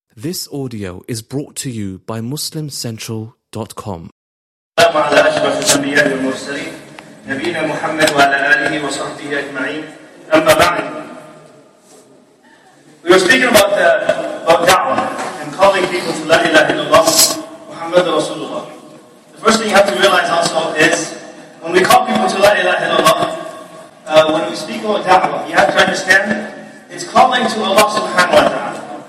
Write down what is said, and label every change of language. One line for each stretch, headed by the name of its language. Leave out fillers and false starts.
English: This audio is brought to you by MuslimCentral.com.
Arabic: السلام على أشرف الأنبياء والمرسلين نبينا محمد وعلى آله وصحبه أجمعين. أما بعد,
English: we were speaking about da'wah and calling people to La ilaha illallah Muhammad Rasulullah. The first thing you have to realize also is when we call people to La ilaha illallah, when we speak about da'wah, you have to understand it's calling to Allah subhanahu wa ta'ala.